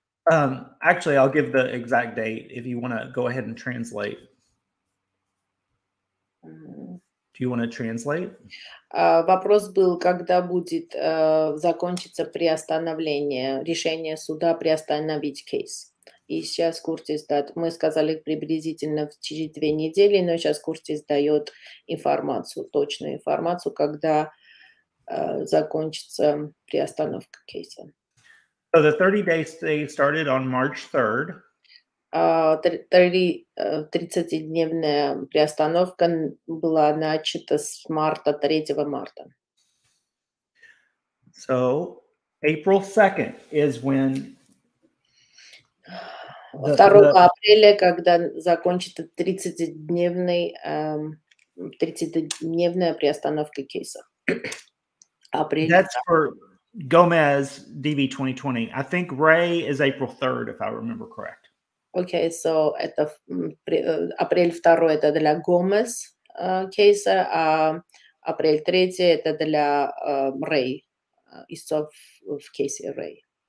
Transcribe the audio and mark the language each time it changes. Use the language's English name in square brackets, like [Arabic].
[English] Actually, I'll give the exact date if you want to go ahead and translate. Do you want to translate? [Russian] Вопрос был, когда будет закончиться приостановление, решение суда приостановить кейс. И сейчас Куртис дает, мы сказали приблизительно через 2 недели, но сейчас Куртис дает информацию, точную информацию, когда закончится приостановка кейса. [English] So the 30-day stay started on March 3rd. [Russian] 30-дневная приостановка была начата с марта, 3 марта. [English] So, April 2nd is when... [Russian] 2 апреля, когда закончится 30-дневная приостановка кейса. Апрель. [English] That's for Gomez DV 2020. I think Ray is April 3rd, if I remember correct. Okay, so [Russian] это апрель 2 это для Gomez кейса, а апрель 3 это для Ray. [English] It's of Casey Ray.